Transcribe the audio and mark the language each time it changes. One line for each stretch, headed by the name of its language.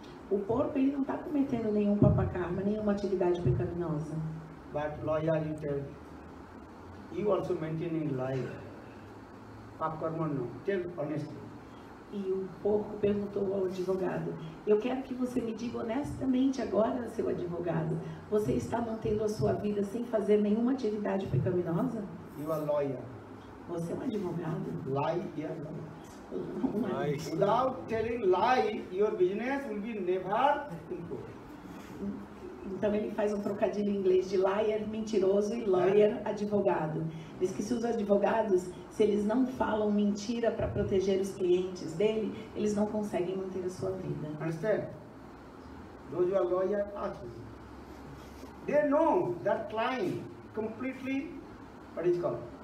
Portuguese: O porco, ele não está cometendo nenhum papa karma, nenhuma atividade pecaminosa.
English: But lawyer, you tell, you also maintaining life. Papa karma, no. Tell honestly.
Portuguese: E o porco perguntou ao advogado, eu quero que você me diga honestamente agora, seu advogado, você está mantendo a sua vida sem fazer nenhuma atividade pecaminosa?
English: You are lawyer.
Portuguese: Você é um advogado.
English: Lie, yes. Without telling lie, your business will be never improved.
Portuguese: Então ele faz um trocadilho em inglês de liar, mentiroso, e lawyer, advogado. Diz que se os advogados, se eles não falam mentira para proteger os clientes dele, eles não conseguem manter a sua vida.
English: Understand? Those who are lawyer, actually. They know that client completely, what is it called?